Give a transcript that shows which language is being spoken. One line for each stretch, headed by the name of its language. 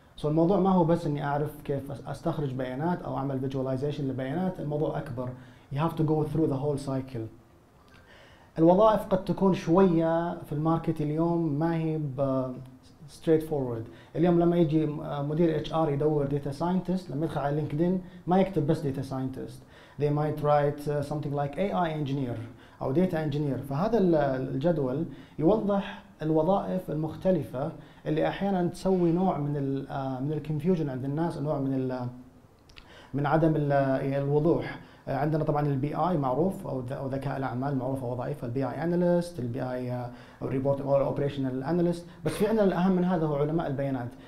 Arabic: So الموضوع ما هو بس اني اعرف كيف استخرج بيانات او اعمل visualization لبيانات، الموضوع اكبر.
English: You have to go through the whole cycle.
Arabic: الوظائف قد تكون شوية في الماركت اليوم ما هي straight forward. اليوم لما يجي مدير HR يدور data scientist، لما يدخل على LinkedIn ما يكتب بس data scientist.
English: They might write something like AI engineer أو data engineer.
Arabic: فهذا الجدول يوضح الوظائف المختلفة اللي أحياناً تسوي نوع من confusion عند الناس، نوع من عدم الوضوح. عندنا طبعا البي اي معروف او ذكاء الاعمال معروفه وظائفه، البي اي انالست، البي اي ريبورت او اوبريشنال انالست، بس في عندنا الاهم من هذا هو علماء البيانات.